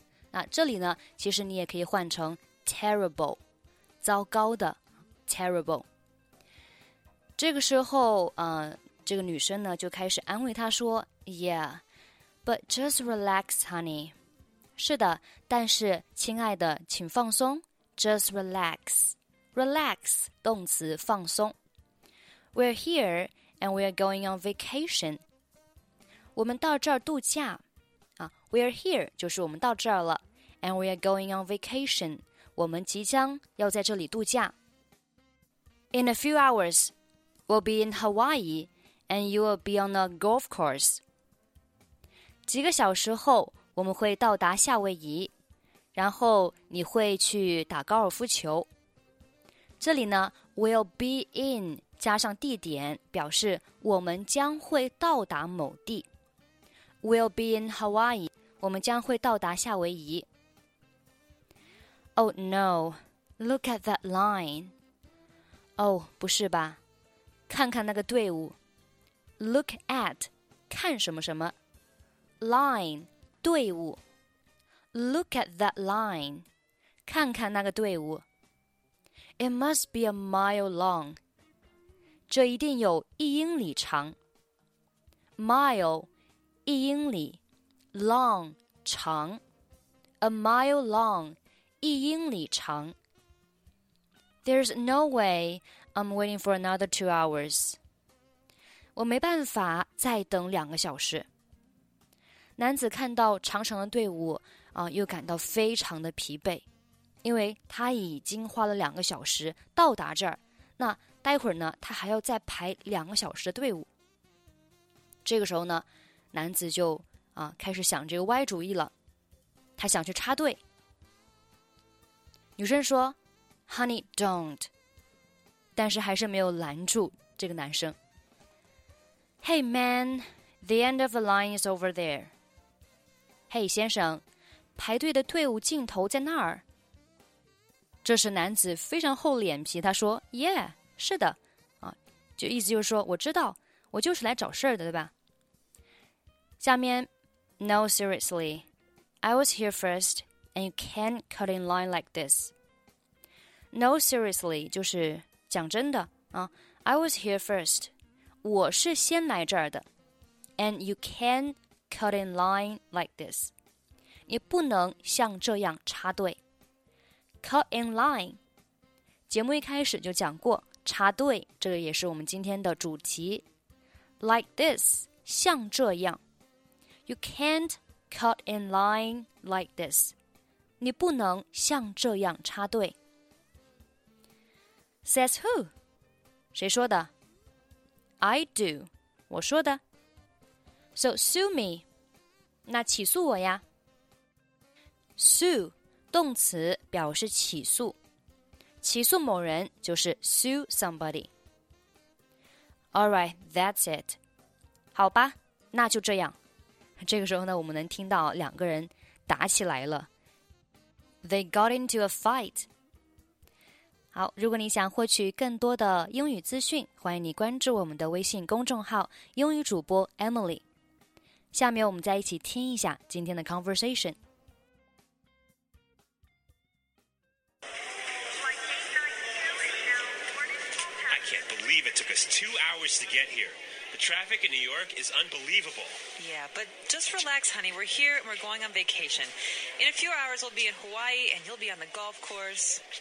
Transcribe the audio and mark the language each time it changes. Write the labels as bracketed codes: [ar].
[zh] 那这里呢，其实你也可以换成 terrible， 糟糕的 terrible。这个时候，这个女生呢就开始安慰她说 ， [en] Yeah， but just relax, honey。 [zh] 是的，但是亲爱的，请放松 ， [en] just relax。 [zh] Relax, 动词放松。 [en] We're here and we're going on vacation. [zh] 我们到这儿度假。 We're here 就是我们到这儿了。 [en] And we're going on vacation. [zh] 我们即将要在这里度假。 [en] In a few hours, we'll be in Hawaii and you will be on a golf course. [zh] 几个小时后我们会到达夏威夷。然后你会去打高尔夫球。这里呢 ,will be in, 加上地点表示我们将会到达某地。 [en] Will be in Hawaii, [zh] 我们将会到达夏威夷。 [en] Oh no, look at that line. [zh] Oh, 不是吧。看看那个队伍。 Look at, 看什么什么。 [en] Line, 队伍。Look at that line. [zh] 看看那个队伍。 [en] It must be a mile long. [zh] 这一定有一英里长。Mile, 一英里。 [en] Long, 长。A mile long. [zh] 一英里长。 [en] There's no way I'm waiting for another 2 hours. [zh] 我没办法再等两个小时。男子看到长长的队伍、又感到非常的疲惫，因为他已经花了两个小时到达这儿，那待会儿呢，他还要再排两个小时的队伍。这个时候呢，男子就、开始想这个歪主意了，他想去插队。女生说 [en] Honey, don't. [zh] 但是还是没有拦住这个男生。 [en] Hey, man, the end of the line is over there. [zh] Hey, 先生，排队的队伍尽头在那儿。这时男子非常厚脸皮，他说 Yeah, 是的、就意思就是说我知道，我就是来找事儿的，对吧？ [en] 下面 No, seriously, I was here first. And you can't cut in line like this. No, seriously, [zh] 就是讲真的、 [en] I was here first. [zh] 我是先来这儿的。 [en] And you can't cut in line like this. [zh] 你不能像这样插队。Cut in line. 节目一开始就讲过插队，这个也是我们今天的主题。 [en] Like this, [zh] 像这样。 [en] You can't cut in line like this. [zh] 你不能像这样插队。 [en] Says who? [zh] 谁说的？ [en] I do. [zh] 我说的。 [en] So sue me. [zh] 那起诉我呀。Sue, 动词表示起诉。起诉某人就是 sue somebody. [en] Alright, that's it. [zh] 好吧，那就这样。这个时候呢，我们能听到两个人打起来了。 [en] They got into a fight. [zh] 好，如果你想获取更多的英语资讯，欢迎你关注我们的微信公众号英语主播 Emily. 下面我们再一起听一下今天的 conversation. [en] I can't believe it took us 2 hours to get here. The traffic in New York is unbelievable. Yeah, but just relax, honey. We're here and we're going on vacation. In a few hours, we'll be in Hawaii and you'll be on the golf course.